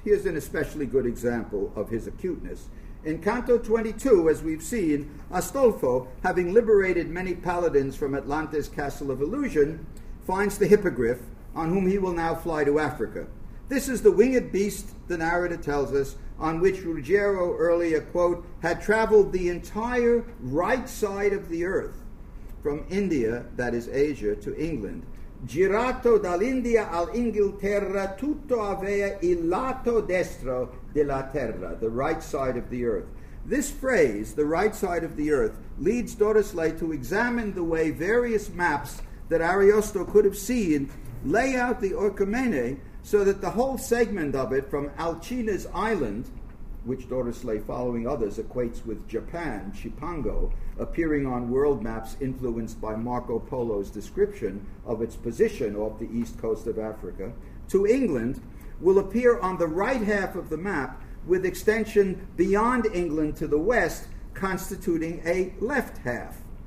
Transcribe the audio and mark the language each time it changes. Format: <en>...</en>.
<en>Here's an especially good example of his acuteness. In Canto 22, as we've seen, Astolfo, having liberated many paladins from Atlantis' castle of illusion, finds the hippogriff, on whom he will now fly to Africa. This is the winged beast, the narrator tells us, on which Ruggiero earlier, quote, had traveled the entire right side of the earth from India, that is Asia, to England.</en> <it>Girato dall'India all'Inghilterra tutto avea il lato destro della terra,</it> <en>the right side of the earth. This phrase, the right side of the earth, leads Dorislai to examine the way various maps that Ariosto could have seen lay out the Orcomene so that the whole segment of it from Alcina's island, which Dorislai, following others, equates with Japan, Chipango, appearing on world maps influenced by Marco Polo's description of its position off the east coast of Africa, to England, will appear on the right half of the map with extension beyond England to the west, constituting a left half.</en>